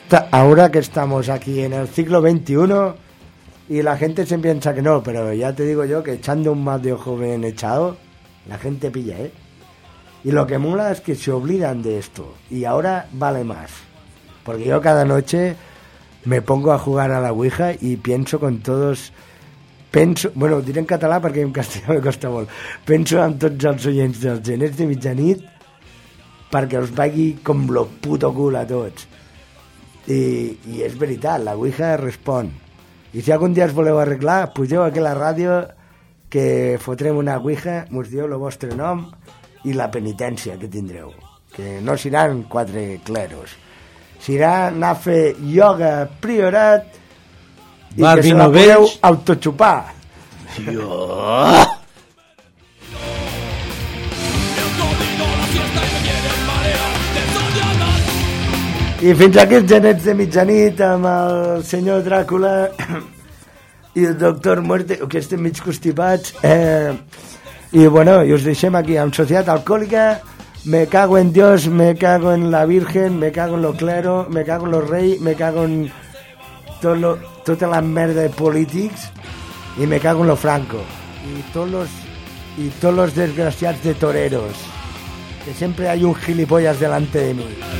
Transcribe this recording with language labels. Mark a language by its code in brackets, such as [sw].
[es] Ahora que estamos aquí en el siglo XXI y la gente se piensa que no, pero ya te digo yo que echando un mal de ojo bien echado, la gente pilla, ¿eh? Y lo que mola es que se olvidan de esto y ahora vale más. Porque yo cada noche me pongo a jugar a la Ouija y pienso con todos. [ca] Penso, bueno, diré en català perquè en castellà me costa molt. Penso en tots els oients dels geners de mitjanit perquè els vagi com lo puto cul a tots. I és veritat, la Ouija respon. I si algun dia es voleu arreglar, pugeu aquí a la ràdio que fotrem una Ouija, us dieu el vostre nom i la penitència que tindreu. Que no seran quatre cleros. Serà anar a fer ioga priorat i que se la podeu autoxupar. Jo... I fins aquí els genets de mitjanit amb el senyor Dràcula i el doctor Muerte, que estem mig constipats. I bueno, i us deixem aquí amb Societat Alcohòlica. Me cago en Dios, me cago en la Virgen, me cago en lo clero, me cago en lo rei, me cago en tota la merda de polítics i me cago en lo franco. I tots los desgraciats de toreros, que sempre hi ha un gilipollas [es] delante de mi.